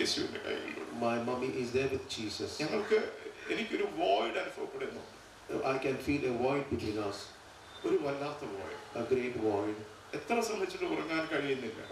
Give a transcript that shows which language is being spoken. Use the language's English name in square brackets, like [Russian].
[English] Jesus called her. My mommy is there with Jesus. [Malayalam] എനിക്കൊരു void അനുഭവപ്പെടുന്നു. [English] I can feel a void between us. [Malayalam] ഒരു വല്ലാത്ത void. [English] A great void. [Malayalam] എത്ര ശ്രമിച്ചിട്ട് ഉറങ്ങാൻ കഴിയുന്നില്ല.